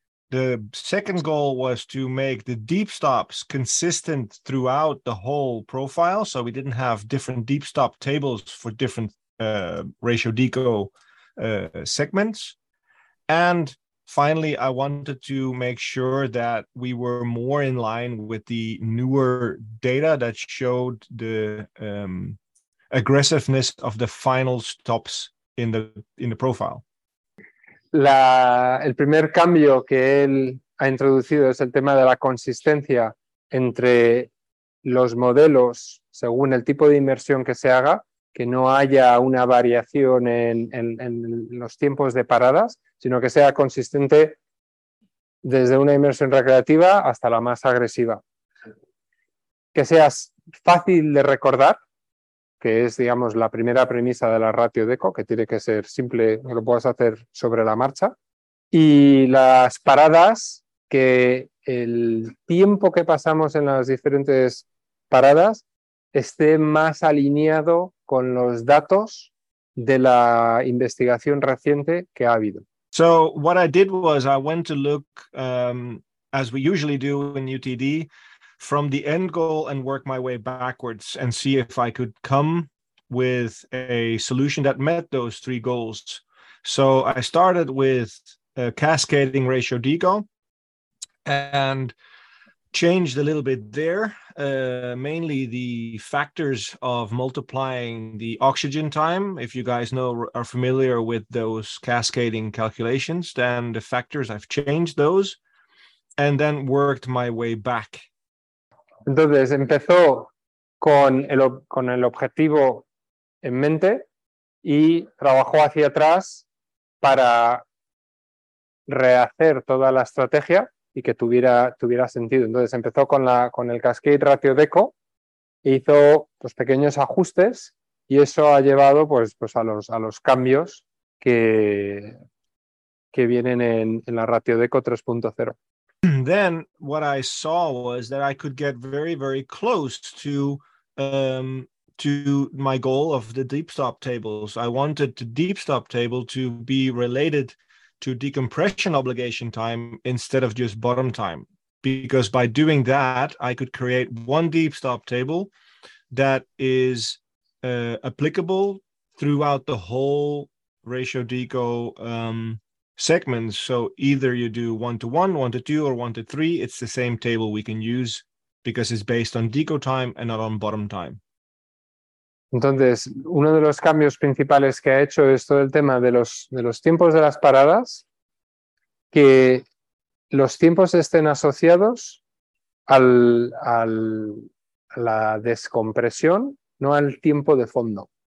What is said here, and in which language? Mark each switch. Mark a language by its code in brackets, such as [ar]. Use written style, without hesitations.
[en] The second goal was to make the deep stops consistent throughout the whole profile, so we didn't have different deep stop tables for different Ratio Deco segments. And finally, I wanted to make sure that we were more in line with the newer data that showed the aggressiveness of the final stops in the profile. [es] El primer cambio que él ha introducido es el tema de la consistencia entre los modelos según el tipo de inmersión que se haga, que no haya una variación en los tiempos de paradas, sino que sea consistente desde una inmersión recreativa hasta la más agresiva. Que sea fácil de recordar, que es, digamos, la primera premisa de la ratio deco, que tiene que ser simple, que lo puedas hacer sobre la marcha. Y las paradas, que el tiempo que pasamos en las diferentes paradas esté más alineado con los datos de la investigación reciente que ha habido. [en] So what I did was I went to look, as we usually do in UTD, from the end goal and work my way backwards and see if I could come with a solution that met those three goals. So I started with a cascading ratio deco and changed a little bit there. Mainly the factors of multiplying the oxygen time. If you guys know are familiar with those cascading calculations, then the factors, I've changed those and then worked my way back. [es] Entonces empezó con el objetivo en mente y trabajó hacia atrás para rehacer toda la estrategia y que tuviera sentido. Entonces empezó con el cascade ratio deco, hizo pues, pequeños ajustes y eso ha llevado pues a los cambios que vienen en la ratio deco 3.0. [en] Then what I saw was that I could get very very close to my goal of the deep stop tables. I wanted the deep stop table to be related to decompression obligation time instead of just bottom time, because by doing that I could create one deep stop table that is applicable throughout the whole ratio deco segments. So either you do 1:1, 1:2, or 1:3, it's the same table we can use because it's based on deco time and not on bottom time. [es] Entonces, uno de los cambios principales que ha hecho es todo el tema de los tiempos de las paradas, que los tiempos estén asociados a la descompresión, no al tiempo de fondo.